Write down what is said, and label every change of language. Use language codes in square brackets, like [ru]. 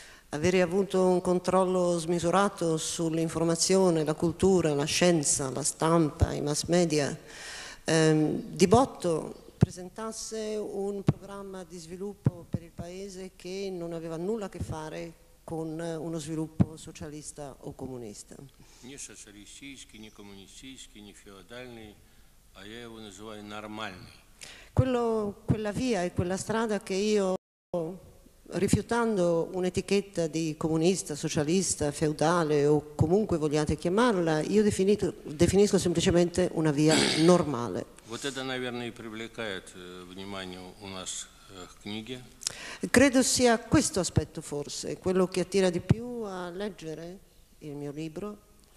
[it] avere avuto un controllo smisurato sull'informazione, la cultura, la scienza, la stampa, i mass media, di botto presentasse un programma di sviluppo per il paese che non aveva nulla a che fare con uno sviluppo socialista o comunista. [ru] Не социалистический, не коммунистический, не феодальный, а я его называю нормальный. [it] Quella via e quella strada che io, rifiutando un'etichetta di comunista, socialista, feudale o comunque vogliate chiamarla, io definisco semplicemente una via normale. [ru] Вот это, наверное, и привлекает внимание у нас к книге. [it] Credo sia questo aspetto forse quello che attira di più a leggere il mio libro.